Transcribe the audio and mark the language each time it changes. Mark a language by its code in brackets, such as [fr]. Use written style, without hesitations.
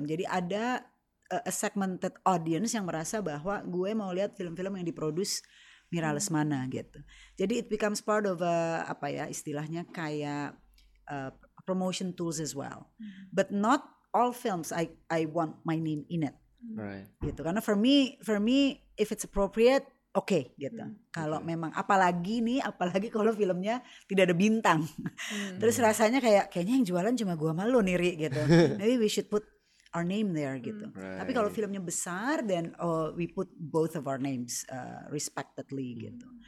[id] Jadi ada [en] a segmented audience [id] yang merasa bahwa gue mau lihat film-film yang diproduce Mira Lesmana gitu. [en] Jadi it becomes part of [id] istilahnya kayak [en] promotion tools as well. But not all films I want my name in it. Right. Gitu. Karena for me if it's appropriate oke okay, gitu. Kalau okay. [id] memang apalagi nih, apalagi kalau filmnya tidak ada bintang. Terus rasanya kayak kayaknya yang jualan cuma gua sama lu Niri gitu. [en] Maybe we should put our name there [id] gitu. Right. Tapi kalau filmnya besar [en] then we put both of our names respectedly gitu.